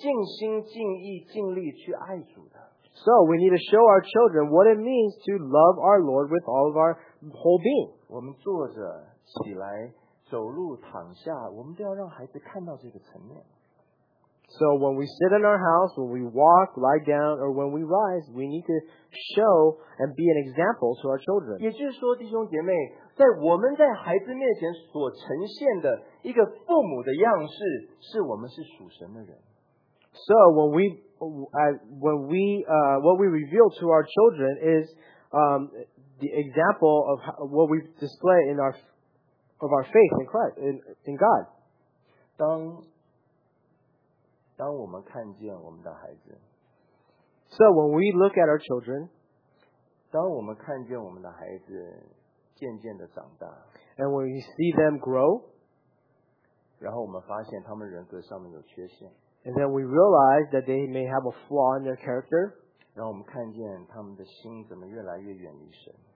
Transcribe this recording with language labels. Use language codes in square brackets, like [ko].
[zh] 我们怎么样在我们的生命当中看见，让孩子看见我们是尽心、尽意、尽力去爱主的？ [en] So we need to show our children what it means to love our Lord with all of our whole being. [zh] 我们坐着、起来、走路、躺下，我们都要让孩子看到这个层面。 [en] So when we sit in our house, when we walk, lie down, or when we rise, we need to show and be an example to our children. [zh] 也就是说，弟兄姐妹，在我们在孩子面前所呈现的一个父母的样式，是我们是属神的人。 [en] So what we reveal to our children is the example of what we display in our of our faith in Christ in God. [zh] 当我们看见我们的孩子, [en] so when we look at our children, [zh] 当我们看见我们的孩子渐渐的长大, [en] and when we see them grow, [zh] 然后我们发现他们人格上面有缺陷, [en] and then we realize that they may have a flaw in their character, [zh] 然后我们看见他们的心怎么越来越远离神,